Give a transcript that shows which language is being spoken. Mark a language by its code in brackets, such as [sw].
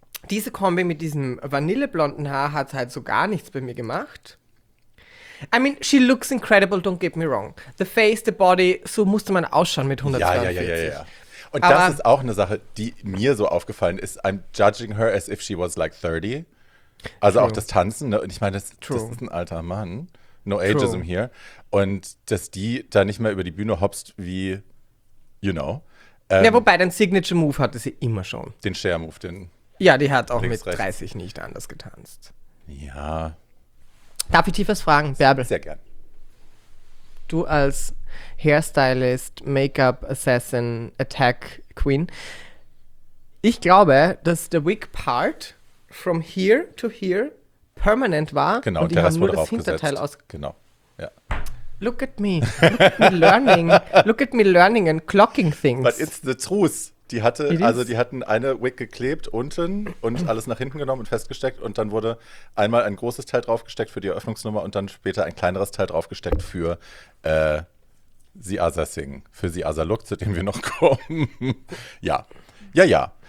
[de] Diese Kombi mit diesem vanilleblonden Haar hat halt so gar nichts bei mir gemacht. [en] I mean, she looks incredible, don't get me wrong. The face, the body, [de] so musste man ausschauen mit 142. Ja. Und aber das ist auch eine Sache, die mir so aufgefallen ist. [en] I'm judging her as if she was like 30. [de] Also true. Auch das Tanzen. Ne? Und ich meine, das ist ein alter Mann. [en] No ageism here. [de] Und dass die da nicht mehr über die Bühne hopst wie, [en] you know. [de] Ja, wobei, den Signature-Move hatte sie immer schon. Den Share-Move, den. Ja, die hat auch mit 30 nicht anders getanzt. Ja. Darf ich tief was fragen, Bärbel? Sehr gern. Du als Hairstylist, Make-up, Assassin, Attack, Queen. Ich glaube, dass der Wig-Part [en] from here to here [de] permanent war. Genau, und die haben nur das Hinterteil ausgesetzt. Genau, ja. [en] Look at me. Look at me learning and clocking things. But it's the truth. [de] Die hatten eine Wig geklebt unten und alles nach hinten genommen und festgesteckt und dann wurde einmal ein großes Teil draufgesteckt für die Eröffnungsnummer und dann später ein kleineres Teil draufgesteckt für [en] The Other Thing, [de] für The Other Look, zu dem wir noch kommen. Ja, ja, ja.